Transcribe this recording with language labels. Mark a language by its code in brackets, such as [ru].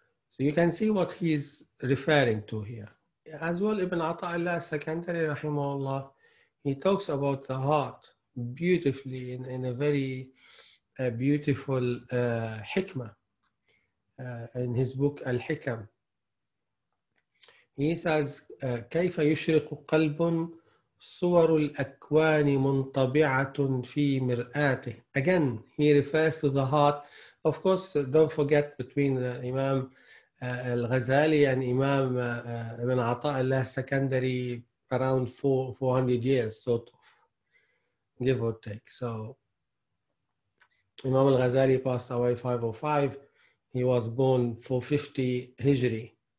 [en] So you can see what he's referring to here. As well, Ibn Ata'illah al-Sakandari rahimahullah, he talks about the heart beautifully in a very beautiful hikmah in his book Al-Hikam. He says, [ar] كَيْفَ يُشْرِقُ قَلْبٌ صور الأكوان منطبعة في مرآته. [en] Again, he refers to the heart. Of course, don't forget between Imam Al-Ghazali and Imam Ibn Ata'illah Secondary, around 400 years, sort of, give or take. So Imam Al-Ghazali passed away 505. He was born 450 Hijri.